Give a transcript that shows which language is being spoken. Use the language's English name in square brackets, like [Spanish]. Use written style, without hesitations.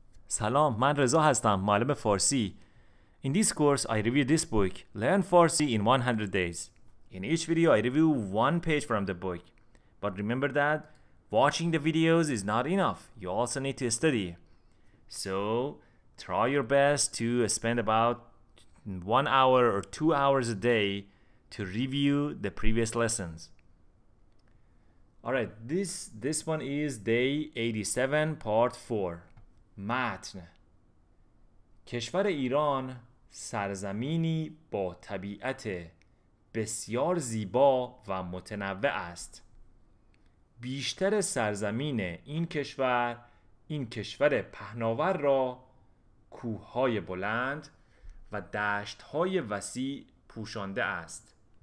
[Persian] سلام من رضا هستم معلم فارسی. [English] In this course I review this book Learn Farsi in 100 days. In each video I review one page from the book. But remember that watching the videos is not enough. You also need to study. So try your best to spend about 1 hour or 2 hours a day to review the previous lessons. Alright, this one is day 87, part 4. [Persian] متن. کشور ایران سرزمینی با طبیعت بسیار زیبا و متنوع است. بیشتر سرزمین این کشور پهناور را کوههای بلند و دشتهای وسیع پوشانده است.